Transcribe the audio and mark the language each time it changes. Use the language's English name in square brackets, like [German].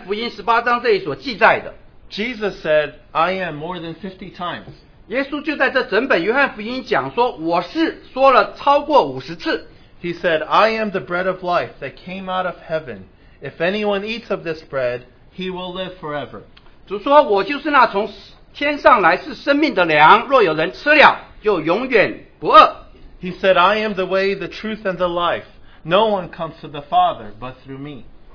[Chinese] 当我们读这个故事是约翰福音18章这里所记载的, [English] Jesus said, I am more than 50 times. [Chinese] 耶稣就在这整本约翰福音讲说,我是说了超过50次。 [English] He said, I am the bread of life that came out of heaven. If anyone eats of this bread, he will live forever. [Chinese] 主说,我就是那从天上来是生命的粮,若有人吃了,就永远不饿。 [English] He said, I am the way, the truth, and the life. No one comes to the Father but through me.